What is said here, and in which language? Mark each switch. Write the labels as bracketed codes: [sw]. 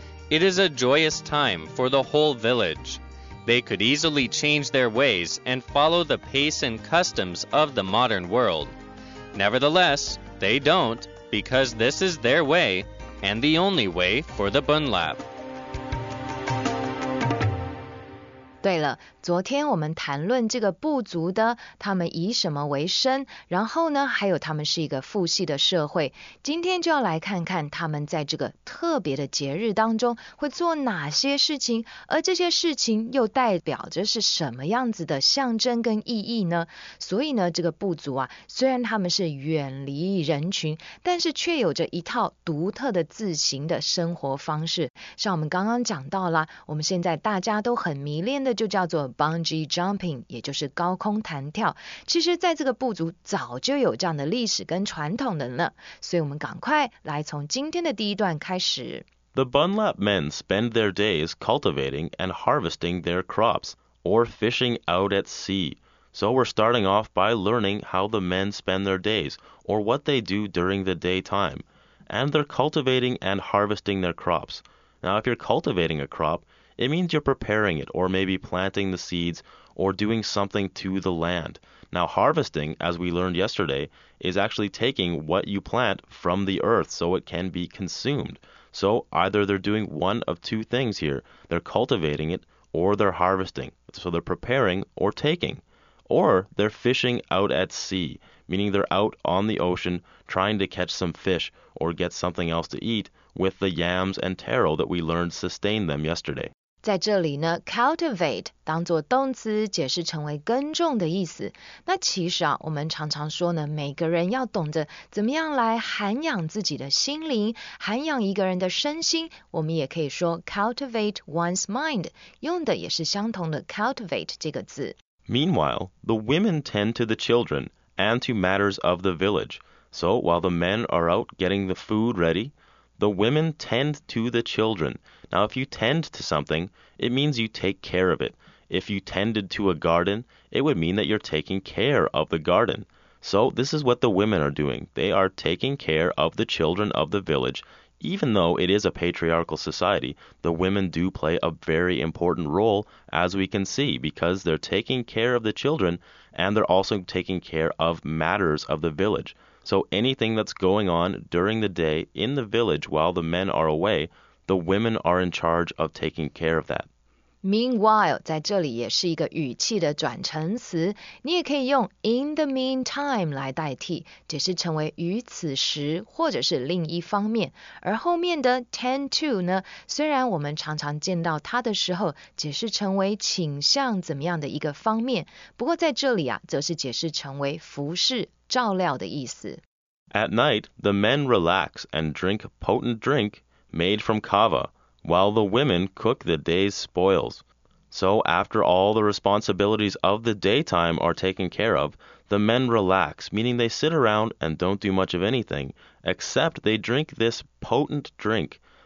[en] It is a joyous time for the whole village. They could easily change their ways and follow the pace and customs of the modern world. Nevertheless, they don't, because this is their way, and the only way for the Bunlap. [zh] 对了，昨天我们谈论这个部族的，他们以什么为生，然后呢，还有他们是一个父系的社会。今天就要来看看他们在这个特别的节日当中会做哪些事情，而这些事情又代表着是什么样子的象征跟意义呢？所以呢，这个部族啊，虽然他们是远离人群，但是却有着一套独特的自行的生活方式。像我们刚刚讲到了，我们现在大家都很迷恋的就叫做 bungee jumping， 也就是高空弹跳。其实在这个部族早就有这样的历史跟传统的呢，所以我们赶快来从今天的第一段开始。 [en] The Bunlap men spend their days cultivating and harvesting their crops or fishing out at sea. So we're starting off by learning how the men spend their days or what they do during the daytime. And they're cultivating and harvesting their crops. Now if you're cultivating a cropIt means you're preparing it, or maybe planting the seeds, or doing something to the land. Now, harvesting, as we learned yesterday, is actually taking what you plant from the earth so it can be consumed. So either they're doing one of two things here. They're cultivating it, or they're harvesting. So they're preparing or taking. Or they're fishing out at sea, meaning they're out on the ocean trying to catch some fish or get something else to eat with the yams and taro that we learned sustain them yesterday. [zh] 在这里呢 cultivate 当作动词解释成为耕种的意思。那其实啊，我们常常说呢，每个人要懂得怎么样来涵养自己的心灵，涵养一个人的身心，我们也可以说 [en] cultivate one's mind， [zh] 用的也是相同的 cultivate 这个字。 [en] Meanwhile, the women tend to the children and to matters of the village. So while the men are out getting the food ready, the women tend to the children. Now, if you tend to something, it means you take care of it. If you tended to a garden, it would mean that you're taking care of the garden. So this is what the women are doing. They are taking care of the children of the village. Even though it is a patriarchal society, the women do play a very important role, as we can see, because they're taking care of the children and they're also taking care of matters of the village. So anything that's going on during the day in the village while the men are away, the women are in charge of taking care of that. [zh] Meanwhile, 在这里也是一个语气的转成词，你也可以用 [en] in the meantime [zh] 来代替，解释成为与此时或者是另一方面。而后面的 tend to 呢，虽然我们常常见到它的时候解释成为倾向怎么样的一个方面，不过在这里啊，则是解释成为服侍、照料的意思。 [en] At night, the men relax and drink potent drink made from kava. While the women cook the day's spoils. So after all the responsibilities of the daytime are taken care of, the men relax, meaning they sit around and don't do much of anything, except they drink this potent drink.